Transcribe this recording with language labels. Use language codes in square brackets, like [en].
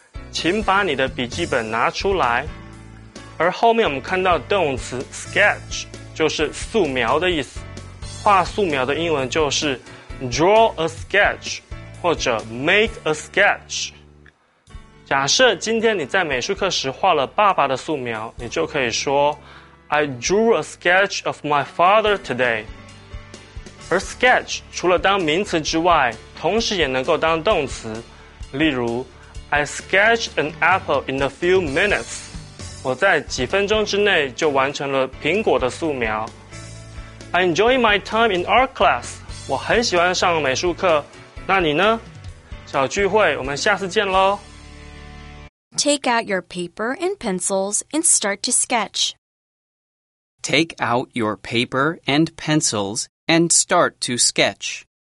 [zh] 请把你的笔记本拿出来。而后面我们看到动词 sketch 就是素描的意思，画素描的英文就是 [en] draw a sketch [zh] 或者 [en] make a sketch。 [zh] 假设今天你在美术课时画了爸爸的素描，你就可以说 [en] I drew a sketch of my father today。 [zh] 而 sketch 除了当名词之外，同时也能够当动词。例如 [en] I sketched an apple in a few minutes. [zh] 我在几分钟之内就完成了苹果的素描。 [en] I enjoy my time in art class. [zh] 我很喜欢上美术课。那你呢？小聚会，我们下次见咯。 [en] Take out your paper and pencils and start to sketch. Take out your paper and pencils and start to sketch.